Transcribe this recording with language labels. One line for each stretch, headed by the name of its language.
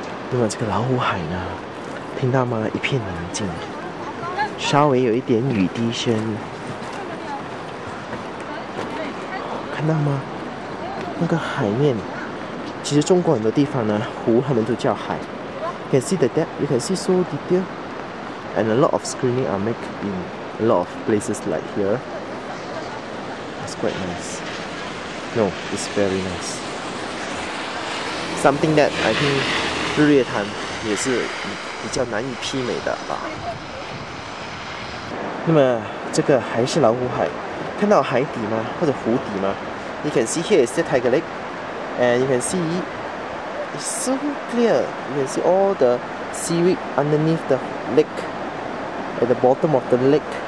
Chinese: 那么这个老虎海呢，听到吗？一片宁静。稍微有一点雨滴声。看到吗？那个海面，其实中国很多地方呢，湖他们都叫海。
English: You can see the depth, you can see so detail. And a lot of screening are made in a lot of places like here. It's quite nice. No, it's very nice. Something that I think
Chinese: 日月潭也是比较难以媲美的吧。那么这个还是老虎海，看到海底吗？或者湖底吗
English: ？You can see here is the Tiger Lake, and you can see it's so clear. You can see all the seaweed underneath the lake, at the bottom of the lake.